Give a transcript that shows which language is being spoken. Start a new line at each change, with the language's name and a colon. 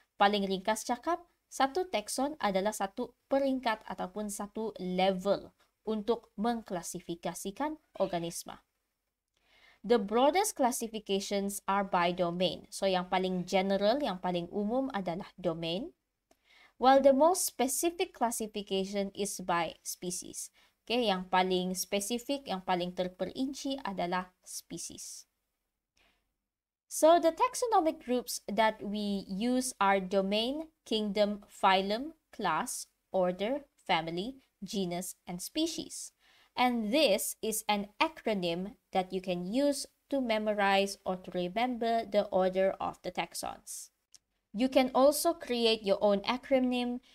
Malay: Paling ringkas cakap, satu taxon adalah satu peringkat ataupun satu level untuk mengklasifikasikan organisma.
English: The broadest classifications are by domain.
Malay: So yang paling general, yang paling umum adalah domain.
English: While the most specific classification is by species.
Malay: Okay, yang paling spesifik, yang paling terperinci adalah species.
English: So the taxonomic groups that we use are domain, kingdom, phylum, class, order, family, genus, and species. And this is an acronym that you can use to memorize or to remember the order of the taxons. You can also create your own acronym